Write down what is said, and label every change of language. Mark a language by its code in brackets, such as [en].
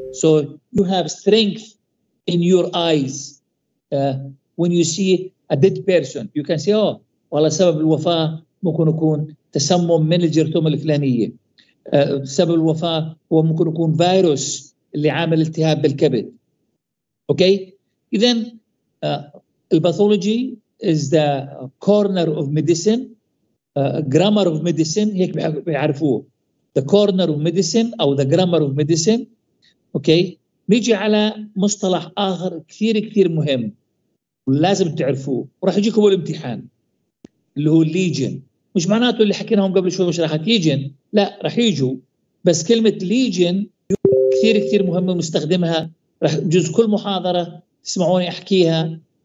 [en] So you have strength in your eyes when you see a dead person. You can say oh [ar] والله سبب الوفاة ممكن يكون تسمم من الجرثومة الفلانية. سبب الوفاة هو ممكن يكون فيروس اللي عامل التهاب بالكبد. [en] Okay, then pathology is the corner of medicine, grammar of medicine. [ar] هيك بيعرفوه. [en] The corner of medicine [ar] أو [en] the grammar of medicine. [ar] Okay, نيجي على مصطلح آخر كثير كثير مهم ولازم تعرفوه وراح يجيكم الامتحان اللي هو legion. مش معناته اللي حكيناهم قبل شوي مش راح يجين، لا راح يجوا، بس كلمة legion كثير كثير مهمة مستخدمها. رح جزء كل محاضرة تسمعوني أحكيها